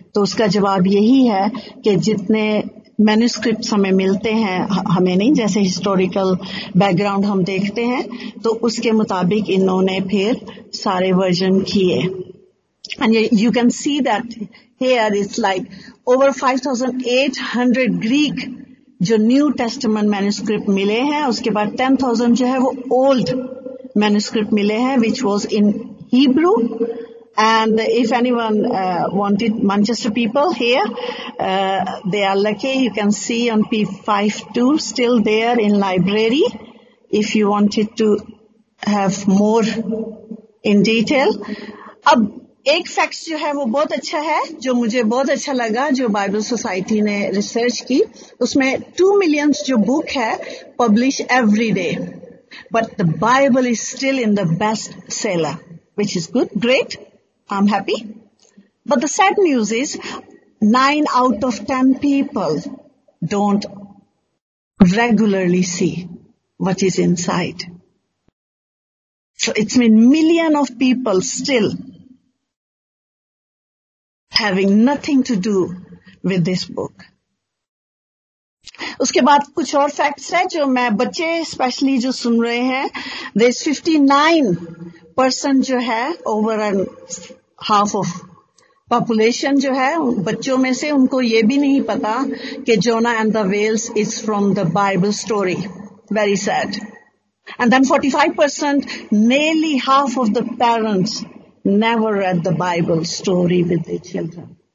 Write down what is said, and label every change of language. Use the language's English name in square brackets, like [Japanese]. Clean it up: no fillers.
[Hindi] तो उसका जवाब यही है कि जितने मैन्युस्क्रिप्ट हमें मिलते हैं, हमें नहीं, जैसे हिस्टोरिकल बैकग्राउंड हम देखते हैं तो उसके मुताबिक इन्होंने फिर सारे वर्जन किए. [English] and you can see that here is like over 5,800 Greek जो new testament manuscript [Hindi] मिले हैं, उसके बाद 10,000 जो है वो [English] Old manuscript मिले हैं which was in Hebrew. And if anyone wanted Manchester people here, they are lucky. You can see on P52 still there in library. If you wanted to have more in detail, [Hindi] अब एक facts जो है वो बहुत अच्छा है, जो मुझे बहुत अच्छा लगा, जो Bible Society ने research की, उसमें [English] 2 million जो book है publish every day, but the Bible is still in the best seller, which is good, great. I'm happy. But the sad news is 9 out of 10 people don't regularly see what is inside. So it's been million of people still having nothing to do with this book. [Hindi] उसके बाद कुछ और facts हैं जो मैं बच्चे specially जो सुन रहे हैं, [English] there is 59% [Hindi] जो है [English] over an half of population [Hindi] जो है बच्चों में से, उनको ये भी नहीं पता कि [English] Jonah and the whales is from the Bible story, very sad. And then 45%, nearly half of the parents never read the Bible story with their children.